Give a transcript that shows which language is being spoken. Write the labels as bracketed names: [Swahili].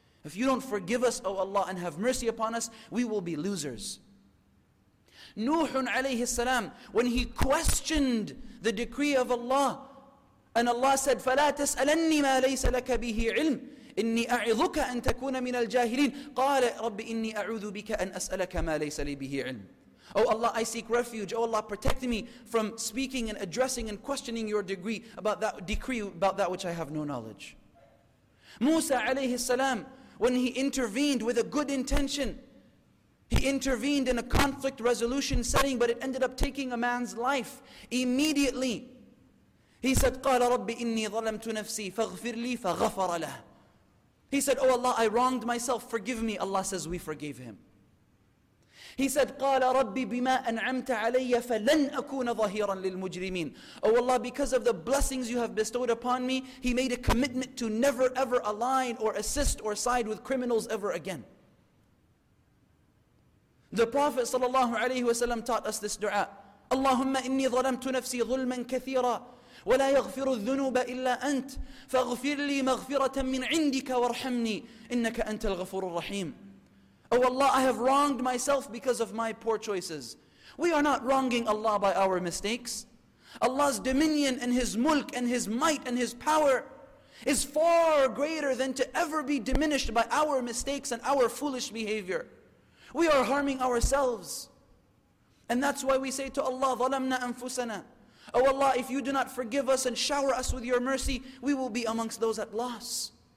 [English] If you don't forgive us, O Allah, and have mercy upon us, we will be losers. Nuh alayhi salam, when he questioned the decree of Allah, and Allah said, [Arabic] فَلَا تَسْأَلَنِّي مَا لَيْسَ لَكَ بِهِ عِلْمٍ إني أعذك أن تكون من الجاهلين. قال رب إني أعوذ بك أن أسألك ما ليس لي به علم. [English] Oh Allah, I seek refuge. Oh Allah, protect me from speaking and addressing and questioning your degree about that decree about that which I have no knowledge. Musa عليه السلام, when he intervened with a good intention, he intervened in a conflict resolution setting, but it ended up taking a man's life immediately. He said, [Arabic] قال رب إني ظلمت نفسي فاغفر لي فغفر له. [English] He said, Oh Allah, I wronged myself, forgive me. Allah says, we forgave him. He said, [Arabic] قَالَ رَبِّي بِمَا أَنْعَمْتَ عَلَيَّ فَلَنْ أَكُونَ ظَهِيرًا لِلْمُجْرِمِينَ [English] Oh Allah, because of the blessings you have bestowed upon me, he made a commitment to never ever align or assist or side with criminals ever again. The Prophet ﷺ taught us this dua. [Arabic] اللَّهُمَّ إِنِّي ظَلَمْتُ نَفْسِي ظُلْمًا كَثِيرًا وَلَا يَغْفِرُ الذُّنُوبَ إِلَّا أَنْتَ فَاغْفِرْ لِي مَغْفِرَةً مِّنْ عِنْدِكَ وَارْحَمْنِي إِنَّكَ أَنْتَ الْغَفُورُ الرَّحِيمُ [English] Oh Allah, I have wronged myself because of my poor choices. We are not wronging Allah by our mistakes. Allah's dominion and His mulk and His might and His power is far greater than to ever be diminished by our mistakes and our foolish behavior. We are harming ourselves. And that's why we say to Allah, [Arabic] ظَلَمْنَا أَنفُسَنَا [English] Oh Allah, if you do not forgive us and shower us with your mercy, we will be amongst those at loss.